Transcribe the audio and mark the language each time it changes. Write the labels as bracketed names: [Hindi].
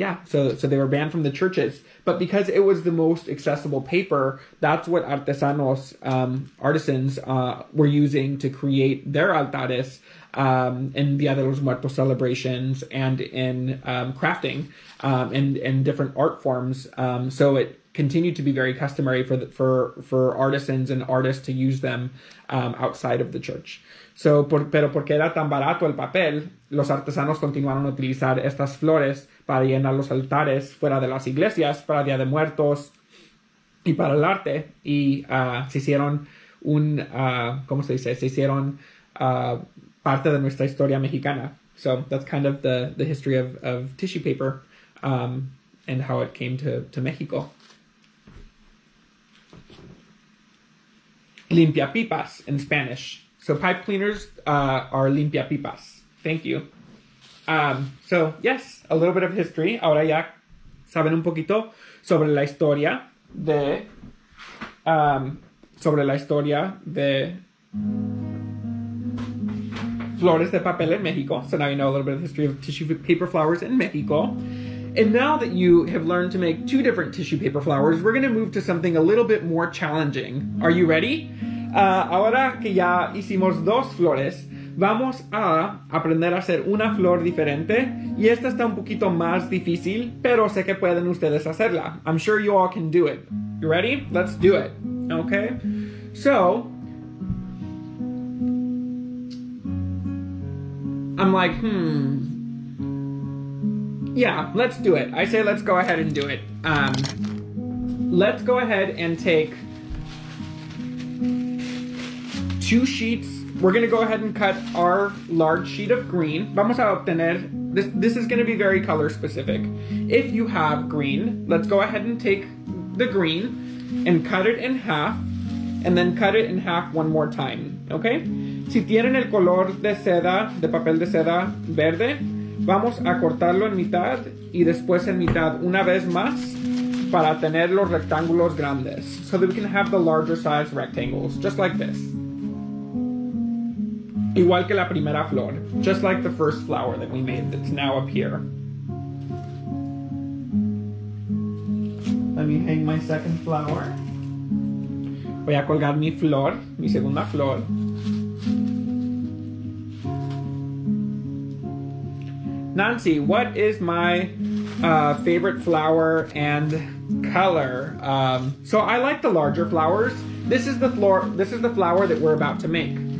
[English] So they were banned from the churches. But because it was the most accessible paper, that's what artisans were using to create their altares in Dia de los Muertos celebrations and in crafting and different art forms. So it continued to be very customary for artisans and artists to use them outside of the church. [Spanish] So, pero porque era tan barato el papel, los artesanos continuaron a utilizar estas flores para llenar los altares fuera de las iglesias, para Día de Muertos y para el arte. Y se hicieron un, ¿cómo se dice? Se hicieron parte de nuestra historia mexicana. [English] So that's kind of the history of tissue paper and how it came to Mexico. Limpia pipas in Spanish. So pipe cleaners are limpia pipas. Thank you. So yes, a little bit of history. [Spanish] Ahora ya saben un poquito sobre la historia de flores de papel en México. [English] So now you know a little bit of the history of tissue paper flowers in Mexico. And now that you have learned to make two different tissue paper flowers, we're going to move to something a little bit more challenging. Are you ready? [Spanish] Ahora que ya hicimos dos flores, vamos a aprender a hacer una flor diferente. Y esta está un poquito más difícil, pero sé que pueden ustedes hacerla. [English] I'm sure you all can do it. You ready? Let's do it. Okay? So, I'm like, yeah, let's do it. I say let's go ahead and do it. Let's go ahead and take two sheets. We're going to go ahead and cut our large sheet of green. [Spanish] Vamos a obtener, [English] this is going to be very color specific. If you have green, let's go ahead and take the green and cut it in half, and then cut it in half one more time, okay? [Spanish] Si tienen el color de seda, de papel de seda verde, vamos a cortarlo en mitad y después en mitad una vez más para tener los rectángulos grandes. [English] So that we can have the larger size rectangles, just like this. [Spanish] Igual que la primera flor, [English] just like the first flower that we made that's now up here. Let me hang my second flower. [Spanish] Voy a colgar mi flor, mi segunda flor. [English] Nancy, what is my favorite flower and color? So I like the larger flowers. This is the flower that we're about to make.